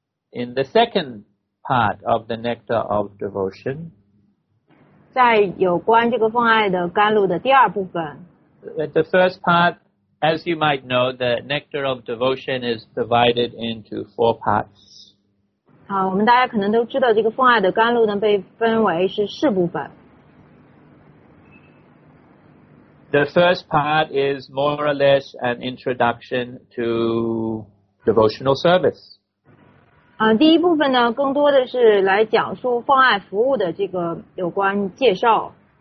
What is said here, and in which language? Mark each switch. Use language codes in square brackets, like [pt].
[en] In the second part of the nectar of devotion. [zh] 在有关这个奉爱的甘露的第二部分。 [en] The first part, as you might know, the nectar of devotion is divided into four parts. [zh] 好，我们大家可能都知道这个奉爱的甘露呢被分为是四部分。 [en] The first part is more or less an introduction to devotional service. [zh] 第一部分呢更多的是来讲述奉爱服务的这个有关介绍。